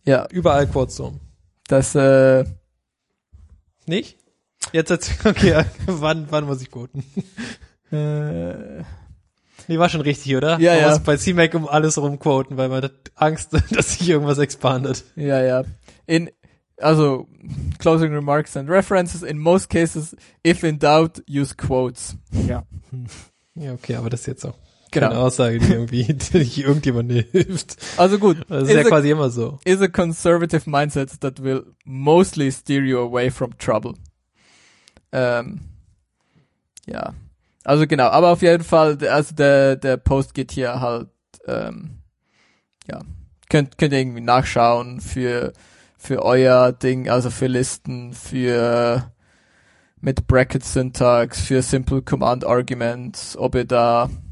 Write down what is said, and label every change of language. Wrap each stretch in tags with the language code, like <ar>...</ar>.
<de>Überall Quotes drum. Das, nicht? Jetzt erzähl, okay, wann muss ich quoten? Nee, war schon richtig, oder? Ja, ja. Bei CMake um alles rumquoten, weil man hat Angst, dass sich irgendwas expandet. Ja, ja.</de> <en>Also, closing remarks and references. In most cases, if in doubt, use quotes.</en> <de>Ja. Ja, okay, aber das ist jetzt auch keine Aussage, die irgendwie irgendjemandem hilft. Also gut. Das ist ja quasi immer so.</de> <en>Is a conservative mindset that will mostly steer you away from trouble.</en> <de>Ja. Also genau, aber auf jeden Fall, also der Post geht hier halt, könnt ihr irgendwie nachschauen für euer Ding, also für Listen, für mit Bracket Syntax, für Simple Command Arguments, ob ihr da</de>